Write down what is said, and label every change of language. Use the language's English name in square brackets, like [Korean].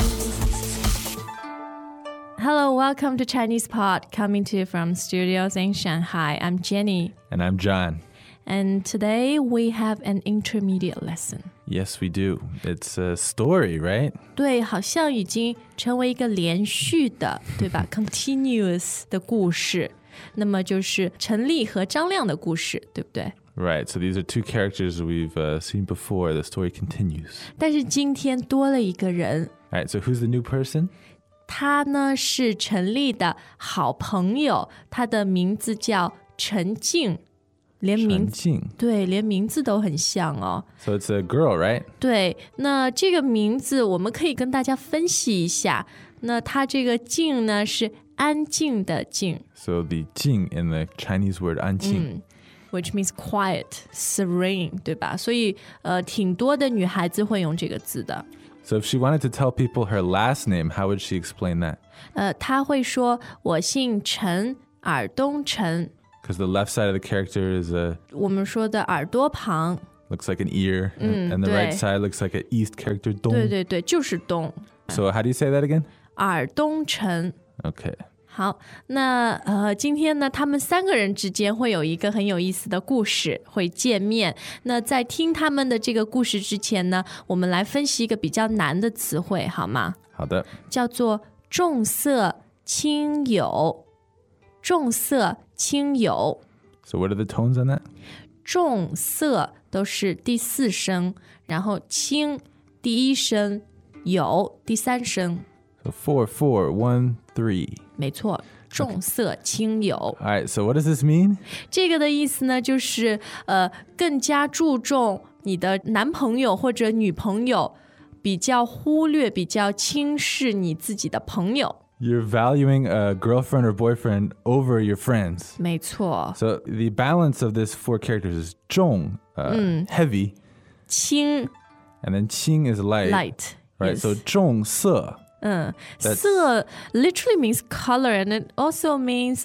[English] Hello, welcome to Chinese Pod, coming to you from studios in Shanghai. I'm Jenny. And I'm John. And today we have an intermediate lesson. Yes, we do. It's a story, right? [Chinese] 对，好像已经成为一个连续的，对吧？Continuous 的故事，那么就是陈丽和张亮的故事，对不对？ [English] Right, so these are two characters we've seen before. The story continues. [Chinese] 但是今天多了一个人。 [English] Alright, so who's the new person? [Chinese] 他呢是陈丽的好朋友，他的名字叫陈静。连名字对，连名字都很像哦。 [English] So it's a girl, right? [Chinese] 对，那这个名字我们可以跟大家分析一下。那它这个静呢，是安静的静。 [English] So the 静 in the Chinese word 安静、 which means quiet, serene, [Chinese] 对吧？所以挺多的女孩子会用这个字的。 [English] So if she wanted to tell people her last name, how would she explain that? [Chinese] 她会说，我姓陈，尔东陈。 [English] Because the left side of the character is a... [Chinese] 我们说的耳朵旁。 [English] Looks like an ear. And the right side looks like an east character, 东。 [Chinese] 对对对，就是东。 [English] So how do you say that again? [Chinese] 耳东城。 Okay. 好，那今天呢，他们三个人之间会有一个很有意思的故事，会见面。那在听他们的这个故事之前呢，我们来分析一个比较难的词汇，好吗？好的。叫做重色轻友。重色轻友。 [English] So what are the tones on that? [Chinese] 重色都是第四声，然后轻第一声，友第三声。 [English] So 4, 4, 1, 3. [Chinese] 没错，重色轻友。 [English] Okay. Alright, so what does this mean? [Chinese] 这个的意思呢，就是更加注重你的男朋友或者女朋友，比较忽略，比较轻视你自己的朋友。 [English] You're valuing a girlfriend or boyfriend over your friends. [Chinese] 没错。 [English] So the balance of these four characters is 重, heavy. [Chinese] 轻。 [English] And then 轻 is light. Light. Right, yes. So 重色。色 literally means color and it also means...